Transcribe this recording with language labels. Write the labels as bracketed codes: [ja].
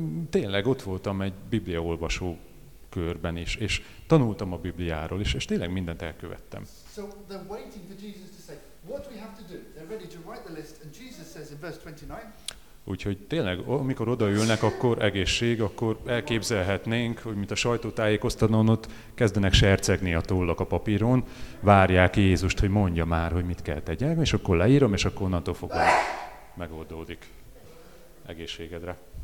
[hu] Tényleg ott voltam egy bibliaolvasó körben is, és tanultam a Bibliáról is, és tényleg mindent elkövettem. [en] So they're waiting for Jesus to say what we have to do. They're ready to write the list, and Jesus says in verse 29. [hu] Úgyhogy tényleg, amikor odaülnek, akkor egészség, akkor elképzelhetnénk, hogy mint a sajtótájékoztatón ott kezdenek sercegni a tollak a papíron, várják Jézust, hogy mondja már, hogy mit kell tegyek, és akkor leírom, és akkor onnantól fogva megoldódik. Egészségedre.